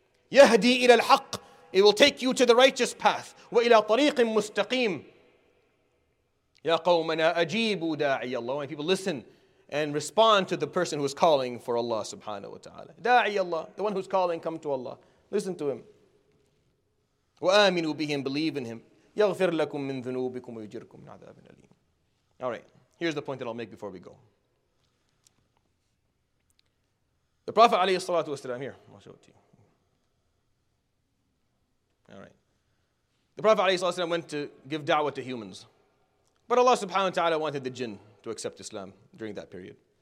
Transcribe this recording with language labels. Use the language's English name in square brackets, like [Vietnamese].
[Arabic] يَهْدِي إِلَى الْحَقِّ [English] It will take you to the righteous path. [Arabic] وَإِلَى طَرِيقٍ مُسْتَقِيمٍ يَا قَوْمَنَا أَجِيبُوا دَاعِيَ اللَّهِ [English] When people listen and respond to the person who's calling for Allah subhanahu wa ta'ala. [Arabic] دَاعِيَ اللَّهِ [English] The one who's calling, come to Allah. Listen to him. [Arabic] وَآمِنُوا بِهِمْ [English] Believe in him. [Arabic] يَغْفِرْ لَكُمْ مِنْ ذُنُوبِكُمْ وَيُجِرْكُمْ مِنْ عَذَابٍ أَلِيمٍ [English] All right, here's the point that I'll make before we go. The Prophet alayhi salatu wasalam, here, I'll show it to you. All right. The Prophet alayhi salatu wasalam went to give da'wah to humans. But Allah subhanahu wa ta'ala wanted the jinn to accept Islam during that period.